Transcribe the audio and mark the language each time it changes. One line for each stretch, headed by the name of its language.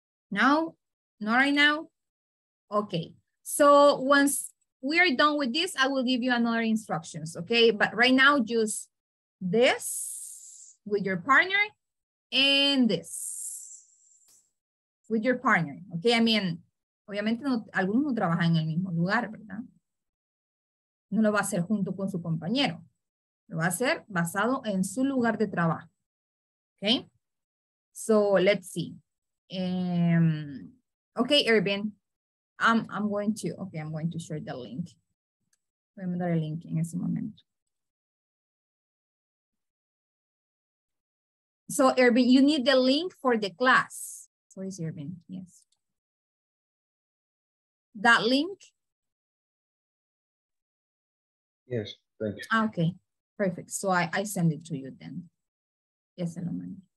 English: No? Not right now? Okay. So once we are done with this, I will give you another instructions, okay? But right now, just this with your partner and this with your partner, okay? I mean,
Spanish: obviamente, no, algunos no trabajan en el mismo lugar, ¿verdad? No lo va a hacer junto con su compañero. Lo va a hacer basado en su lugar de trabajo. ¿Ok?
English: So let's see. Okay, Irvin. I'm going to share the link.
Spanish: Voy a mandar el link en ese momento.
English: So, Irvin, you need the link for the class. Where is Irvin? Yes. That link? Yes, thank you. Okay, perfect. So I send it to you then. Yes, Eloman.